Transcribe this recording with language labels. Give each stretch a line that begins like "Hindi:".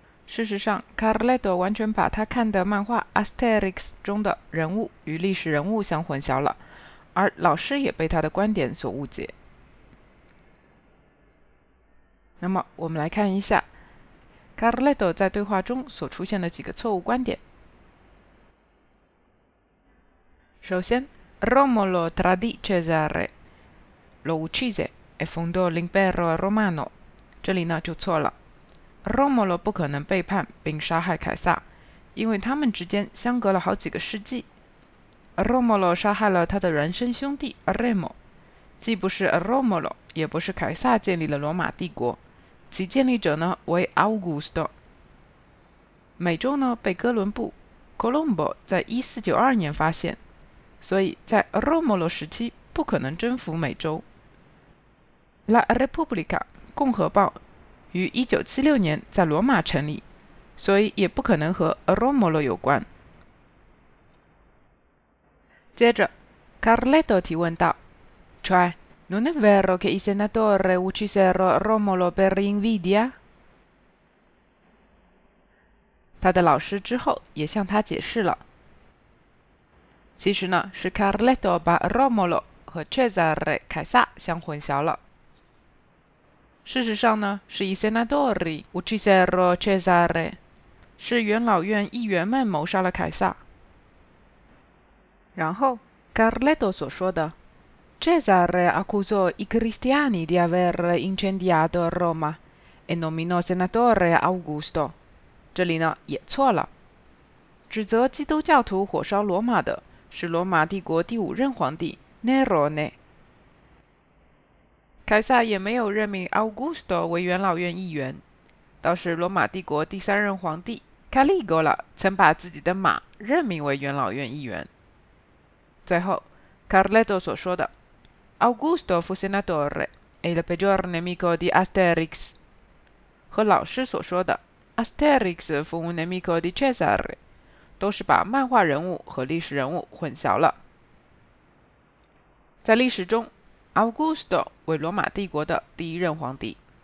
Chinese: 事实上 ，Carletto 完全把他看的漫画《Asterix》中的人物与历史人物相混淆了，而老师也被他的观点所误解。那么，我们来看一下 Carletto 在对话中所出现的几个错误观点。首先
Italian: ，Romolo tradì Cesare, lo uccise e fondò l'impero romano。
Chinese: 这里呢就错了。 Romolo 不可能背叛并杀害凯撒，因为他们之间相隔了好几个世纪。 Romolo 杀害了他的孪生兄弟 Remo，既不是 Romolo， 也不是凯撒建立了罗马帝国，其建立者呢为 Augusto。美洲呢被哥伦布 Colombo 在1492年发现，所以在 Romolo 时期不可能征服美洲。 La Repubblica 共和报。于1976年在罗马成立，所以也不可能和 Romolo 有关。接着 Carletto 提问道
Italian: Cioè, non è vero che i senatori uccisero Romolo per invidia？
Chinese: 他的老师之后也向他解释了，其实呢是 Carletto 把 Romolo 和 Cesare 凯撒相混淆了。事实上呢，是
Italian: i senatori uccisero Cesare，
Chinese: 是元老院议员们谋杀了凯撒。然后 Carletto 所说的
Italian: Cesare accusò i cristiani di aver incendiato Roma e nominò senatore Augusto，
Chinese: 这里呢也错了，指责基督教徒火烧罗马的是罗马帝国第五任皇帝 Nerone。凯撒也没有任命 Augusto 为元老院议员，倒是罗马帝国第三任皇帝 Caligola 曾把自己的马任命为元老院议员。最后 Carletto 所说的
Italian: Augusto fu senatore e il peggior nemico di Asterix
Chinese: 和老师所说的
Italian: Asterix fu un nemico di Cesare
Chinese: 都是把漫画人物和历史人物混淆了。在历史中Augusto 为罗马帝国的第一任皇帝。